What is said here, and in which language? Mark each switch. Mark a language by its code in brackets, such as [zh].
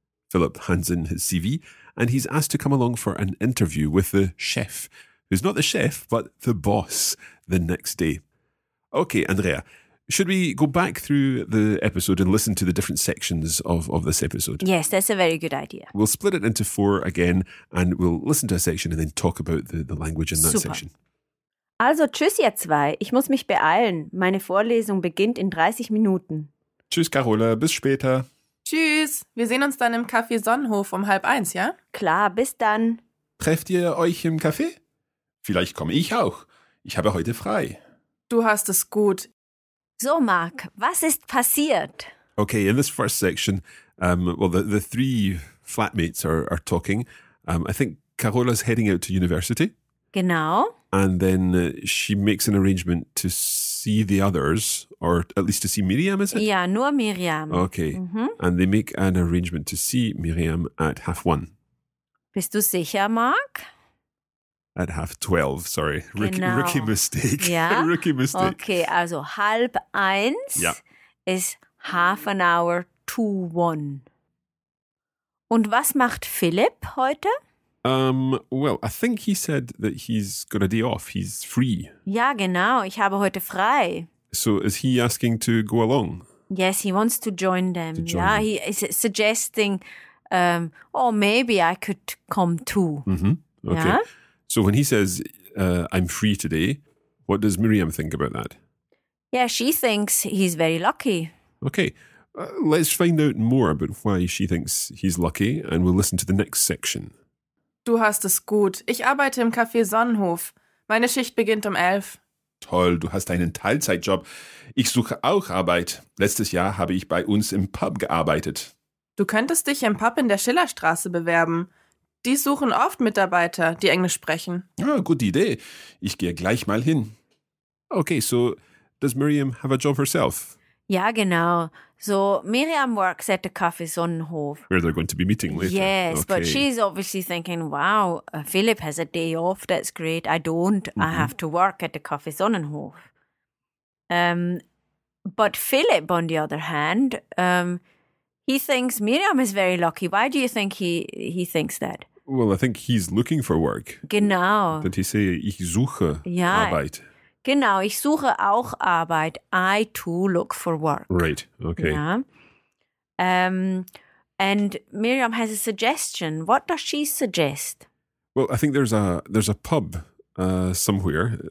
[en] Philip hands in his CV, and he's asked to come along for an interview with the chef, who's not the chef, but the boss, the next day. Okay, Andrea. Should we go back through the episode and listen to the different sections of this episode? Yes, that's a very good idea. We'll split it into four again and we'll listen to a section and then talk about the language in that Super. Section. [de] Also, tschüss ihr zwei. Ich muss mich beeilen. Meine Vorlesung beginnt in 30 Minuten. Tschüss, Carola. Bis später. Tschüss. Wir sehen uns dann im Café Sonnenhof um 12:30, ja? Klar, bis dann. Trefft ihr euch im Café? Vielleicht komme ich auch. Ich habe heute frei. Du hast es gut. So, Mark, was ist passiert? [en] Okay, in this first section, the three flatmates are talking. I think Carola's heading out to university. [de] Genau. [en] And then she makes an arrangement to see the others, or at least to see Miriam, is it? [de] Ja, nur Miriam. [en] Okay, and they make an arrangement to see Miriam at 12:30. [de] Bist du sicher, Mark? [en] At 12:30, sorry. [de] Genau. [en] Rookie mistake. Yeah. Rookie mistake. Okay, also 12:30 is 12:30. [de] Und was macht Philipp heute? [en] Well, I think he said that he's got a day off. He's free. [de] Ja, genau. Ich habe heute frei. [en] So is he asking to go along? Yes, he wants to join them. He is suggesting, maybe I could come too. Mm-hmm. Okay. Yeah? So when he says, I'm free today, what does Miriam think about that? Yeah, she thinks he's very lucky. Okay, let's find out more about why she thinks he's lucky and we'll listen to the next section. [de] Du hast es gut. Ich arbeite im Café Sonnenhof. Meine Schicht beginnt 11:00. Toll, du hast einen Teilzeitjob. Ich suche auch Arbeit. Letztes Jahr habe ich bei uns im Pub gearbeitet. Du könntest dich im Pub in der Schillerstraße bewerben. Die suchen oft Mitarbeiter, die Englisch sprechen. Ah, gute Idee. Ich gehe gleich mal hin. [en] Okay, so does Miriam have a job herself? [de] Ja, genau. [en] So Miriam works at the Café Sonnenhof. Where they're going to be meeting later. Yes, okay. But she's obviously thinking, wow, Philip has a day off. That's great. I don't. Mm-hmm. I have to work at the Café Sonnenhof. But Philip, on the other hand... he thinks Miriam is very lucky. Why do you think he thinks that? Well, I think he's looking for work. [de] Genau. [en] Did he say, [de] ich suche Arbeit? Genau, ich suche auch Arbeit. [en] I too look for work. Right, okay. Yeah. And Miriam has a suggestion. What does she suggest? Well, I think there's a pub somewhere.